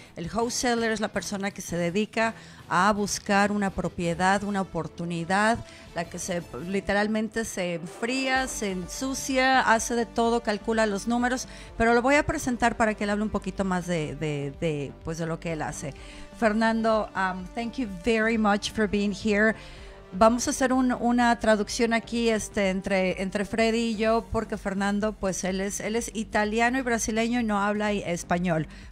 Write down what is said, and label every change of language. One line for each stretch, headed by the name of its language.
Spanish: El wholesaler es la persona que se dedica a buscar una propiedad, una oportunidad, la que se literalmente se enfría, se ensucia, hace de todo, calcula los números. Pero lo voy a presentar para que él hable un poquito más de lo que él hace.
English: Fernando, thank you very much for being here.
Spanish: Vamos a hacer una traducción aquí entre Freddy y yo, porque Fernando, pues él es italiano y brasileño y no habla español.